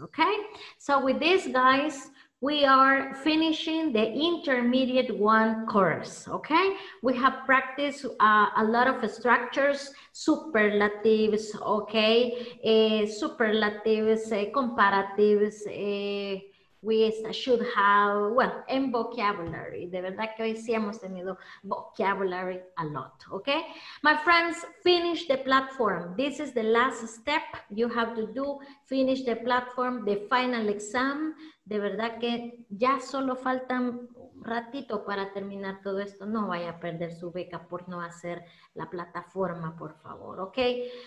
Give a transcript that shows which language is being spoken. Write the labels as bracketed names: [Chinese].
[English] Okay, so with this, guys, we are finishing the intermediate one course, okay? We have practiced a lot of structures, superlatives, okay? Superlatives, comparatives, we should have, well, and vocabulary. [Spanish] De verdad que hoy sí hemos tenido [English] vocabulary a lot, [Spanish] okay? [English] My friends, finish the platform. This is the last step you have to do. Finish the platform, the final exam. [Spanish] De verdad que ya solo faltan un ratito para terminar todo esto. No vaya a perder su beca por no hacer la plataforma, por favor, okay?